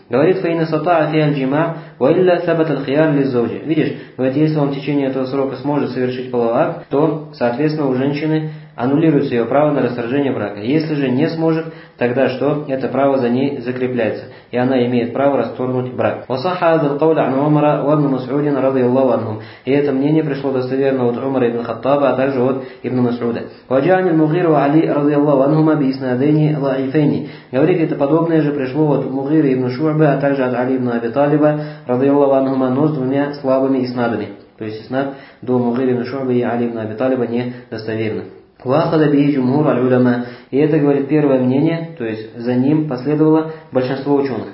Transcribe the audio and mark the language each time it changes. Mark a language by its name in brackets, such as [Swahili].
[Russian] Говорит [Arabic] Фаина Сата Афиан Джима, Валилля Сабат Альхиар Лиззоуджи. [Russian] Видишь, говорит, если он в течение этого срока сможет совершить половой акт, то, соответственно, у женщины аннулируется ее право на расторжение брака. Если же не сможет, тогда что? Это право за ней закрепляется, и она имеет право расторгнуть брак. [Arabic] وصح هذا القول عن عمر وابن مسعود رضي الله عنهم. [Russian] И это мнение пришло достоверно от Умара ибн Хаттаба, а также от ибн Масуда. [Arabic] وجاء عن المغيرة وعلي رضي الله عنهما بإسنادين ضعيفين. [Russian] Говорит, это подобное же пришло от Мугира ибн Шуъбы, а также от Али ибн Аби Талиба [Arabic] رضي الله عنهما, [Russian] но с двумя слабыми иснадами. То есть иснад до Мугира ибн Шуъбы и Али ибн Аби Талиба не достоверны. [Arabic] وأخذ به جمهور العلماء. [Russian] И это, говорит, первое мнение, то есть за ним последовало большинство ученых.